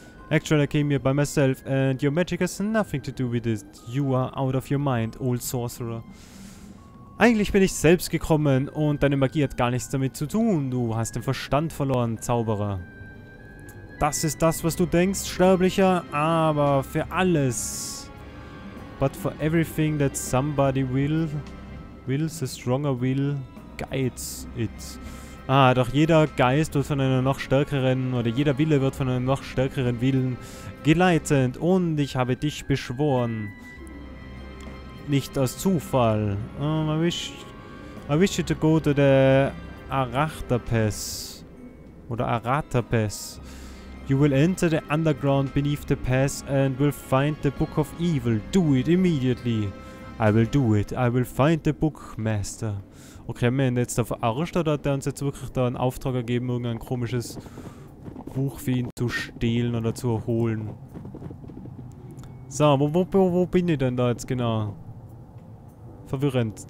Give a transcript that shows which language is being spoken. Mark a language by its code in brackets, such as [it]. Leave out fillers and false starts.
[en] Actually, I came here by myself and your magic has nothing to do with it. You are out of your mind, old sorcerer. [de] Eigentlich bin ich selbst gekommen und deine Magie hat gar nichts damit zu tun. Du hast den Verstand verloren, Zauberer. Das ist das, was du denkst, Sterblicher. Aber für alles. [en] But for everything that somebody wills, a stronger will guides it. [de] Ah, doch jeder Geist wird von einer noch stärkeren, oder jeder Wille wird von einem noch stärkeren Willen geleitet. Und ich habe dich beschworen. Nicht aus Zufall. [en] I wish you to go to the Arachtapes. Oder Arachtapes. You will enter the underground beneath the pass and will find the Book of Evil. Do it immediately. I will do it. I will find the Bookmaster. [de] Okay, haben wir ihn jetzt da verarscht oder hat er uns jetzt wirklich da einen Auftrag ergeben, irgendein komisches Buch für ihn zu stehlen oder zu erholen? So, wo bin ich denn da jetzt genau? Verwirrend.